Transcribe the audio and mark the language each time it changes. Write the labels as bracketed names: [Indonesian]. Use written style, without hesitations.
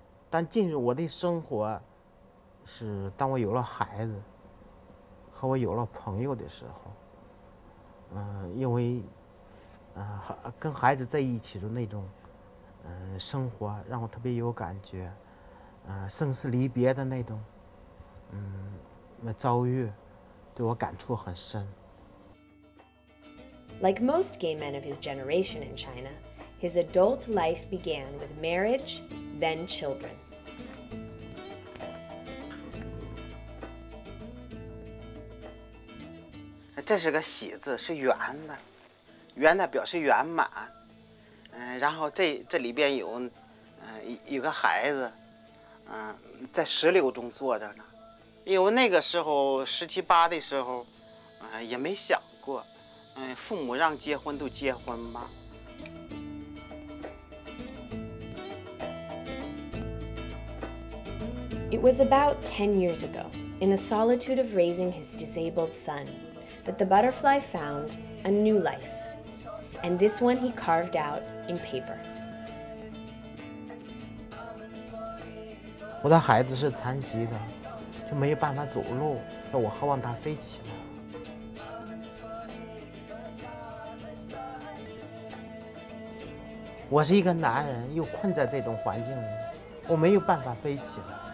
[Chinese] 但进入我的生活是当我有了孩子和我有了朋友的时候，因为跟孩子在一起的那种生活让我特别有感觉，生死离别的那种遭遇对我感触很深。 [English] Like most gay men of his generation in China, his adult life began with marriage, then children. This is a [Chinese] 喜字，是圆的，圆的表示圆满。然后这里边有，一个孩子，在石榴中坐着呢。因为那个时候十七八的时候，也没想过。父母让结婚都结婚吧。 [English] It was about 10 years ago, in the solitude of raising his disabled son, that the butterfly found a new life, and this one he carved out in paper. [Chinese] 我的孩子是残疾的，就没有办法走路，那我希望他飞起来。我是一个男人，又困在这种环境里，我没有办法飞起来。